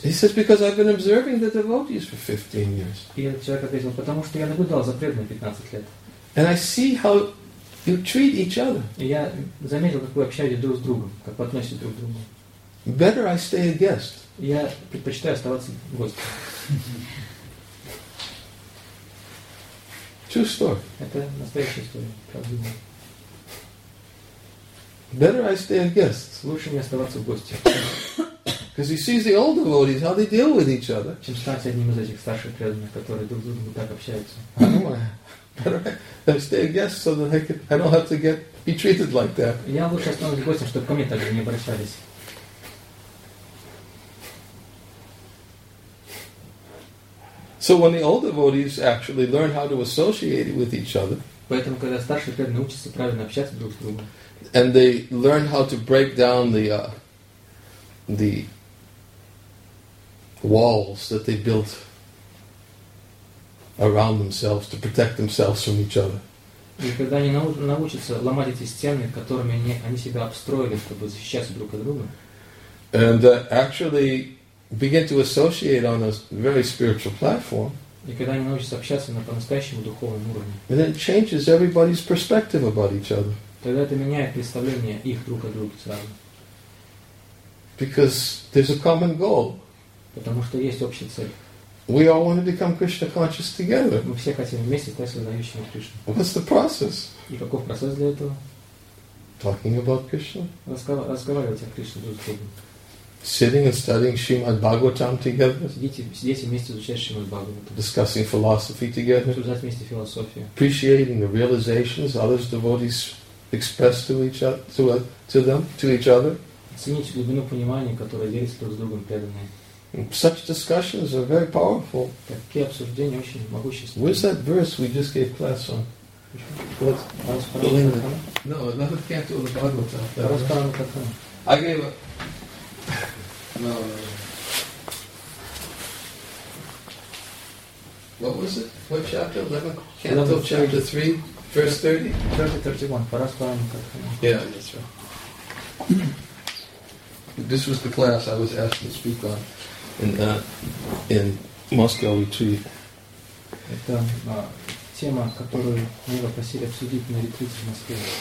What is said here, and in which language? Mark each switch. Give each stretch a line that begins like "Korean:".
English: He says, because I've been observing the devotees for 15 years.
Russian: И этот человек ответил, потому что я наблюдал за преданными 15 лет.
English: And I see how you treat each other.
Russian: И я заметил, как вы общаетесь друг с другом, как вы относитесь друг к другу.
English: Better I stay a guest.
Russian: Я предпочитаю оставаться гостем.
English: True story.
Russian: Это настоящая история, правда.
English: Better I stay a guest.
Russian: Лучше мне оставаться в гости.
English: Because he sees the old devotees, how they deal with each other.
Russian: Чем стать одним из этих старших преданных, которые друг с другом так общаются.
English: Better I stay a guest so that I don't have to get be treated like that.
Russian: Я лучше останусь гостем, чтобы ко мне так же не обращались.
English: So when the old devotees actually learn how to associate with each other,
Russian: поэтому когда старшие преданные учатся правильно общаться друг с другом,
English: and they learn how to break down the walls that they built around themselves to protect themselves from each other.
Russian: И когда они научатся ломать эти стены, которыми они себя обстроили, чтобы защищаться друг от друга,
English: and actually begin to associate on a very spiritual platform,
Russian: и когда они научатся общаться на по-настоящему духовном уровне,
English: and then it changes everybody's perspective about each other.
Russian: Тогда это меняет представление их друг о друге сразу.
English: Because there's a common goal.
Russian: Потому что есть общая цель.
English: We all want to become Krishna conscious together.
Russian: Мы все хотим вместе стать сознающими Кришну.
English: What's the process?
Russian: И каков процесс для этого?
English: Talking about Krishna.
Russian: Разговаривать о Кришне друг с другом.
English: Sitting and studying Srimad Bhagavatam together.
Russian: Сидеть вместе изучать Шримад Бхагаватам.
English: Discussing philosophy together.
Russian: Обсуждать вместе философию.
English: Appreciating the realizations others devotees express to each other, to them, to each other.
Russian: Оценить глубину понимания, которое делится друг с другом преданные.
English: Such discussions are very powerful.
Russian: Такие обсуждения очень могущественные.
English: Where's that verse we just gave class on? What's I gave a. What was it? What chapter? 11? Canto chapter 3, verse 30? Chapter 31, Paraspara Mukhatkhana. Yeah, that's right. This was the class I was asked to speak on in Moscow retreat.
Russian: Это тема, которую мы попросили обсудить на ретрите в Москве.